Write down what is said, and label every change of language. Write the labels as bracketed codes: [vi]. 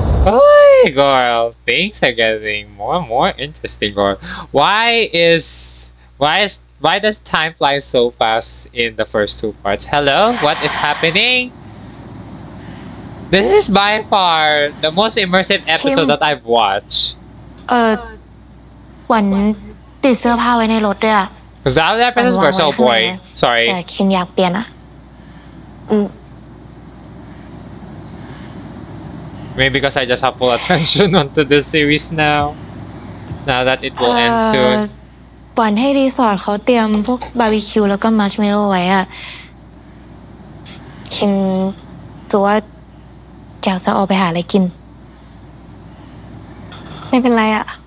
[en] Oh, girl, things are getting more and more interesting, girl. Why does time fly so fast in the first two parts? Hello, what is happening? This is by far the most immersive episode Kim, that I've watched. [th] วันติดเสื้อผ้าไว้ในรถด้วยอะ [en] Because that was that person's personal boy. Sorry. [th] Kim อยากเปลี่ยนอ่ะ [en] Maybe because I just have full attention onto this series now that it will end soon. [th] วันให้รีสอร์ทเขาเตรียมพวกบาร์บีคิวแล้วก็มาร์ชเมลโล่ไว้อ่ะ Kim ตัวอยากจะออกไปหาอะไรกิน ไม่เป็นไรอ่ะ